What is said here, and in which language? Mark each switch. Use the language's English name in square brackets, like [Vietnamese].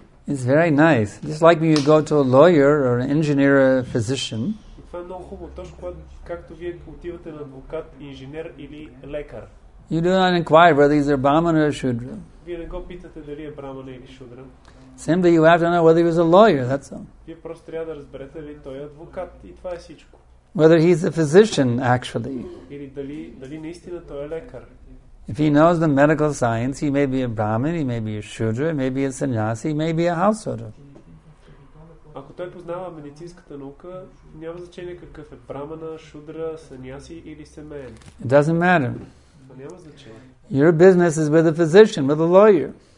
[English] It's very nice. Just like when you go to a lawyer or an engineer or a physician. [Bulgarian] това е много хубаво, точно когато, както вие отивате на адвокат, инженер или лекар. [English] You do not inquire whether he's a brahman or a shudra. [Bulgarian] Вие не го питате дали е брамана или шудра. [English] Simply you have to know whether he was a lawyer, that's all. [Bulgarian] Вие просто трябва да разберете дали той е адвокат и това е всичко. [English] Whether he's a physician, actually. [Bulgarian] Или дали наистина той е лекар. [English] If he knows the medical science, he may be a brahmin, he may be a shudra, he may be a sannyasi, he may be a householder. [Bulgarian] Ако той познава медицинската наука, няма значение какъв е брамана, шудра, саньяси или семеен. [English] It doesn't matter. [Bulgarian] Няма значение. [English] Your business is with a physician, with a lawyer.